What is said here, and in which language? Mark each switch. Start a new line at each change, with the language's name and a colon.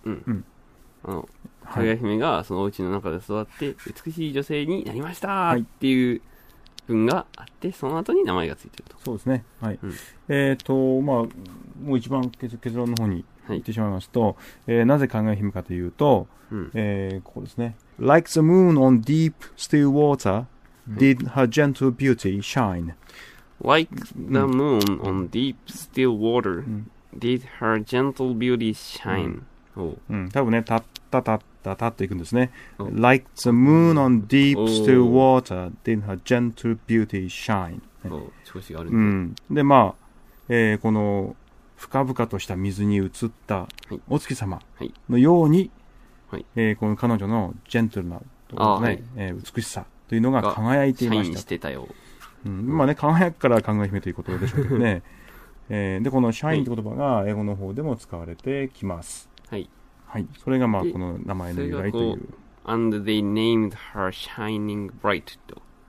Japanese: うんうん、かぐや姫がそのお家の中で育って美しい女性になりましたっていう文があって、はい、その後に名前がついてると。そうですね、はい、うん、まあ、もう一番結論の方に言ってしまいますと、はい、なぜかぐや姫かというと、うん、ここですね。
English: Like the moon on deep still water did her gentle beauty shine Like the moon on deep still water,、うん、did her gentle beauty shine.、
Japanese: うん、oh. うん、多分ね、たったたったたっていくんですね。
English: Oh. Like the moon on deep still water,、oh. did her gentle beauty shine.、
Japanese: Oh. 調子があるんです、うん、で、まあ、この深々とした水に映ったお月様のように、はいはい、この彼女のジェントルな、ね、はい、美しさというのが輝いていました。シャインしてたよ。うん、まあね、輝くから考え姫ということでしょうけどね。で、このシャインって言葉が英語の方でも使われてきます。はい。はい。それがまあ、この名前の由来という。
English: And they named her shining bright と。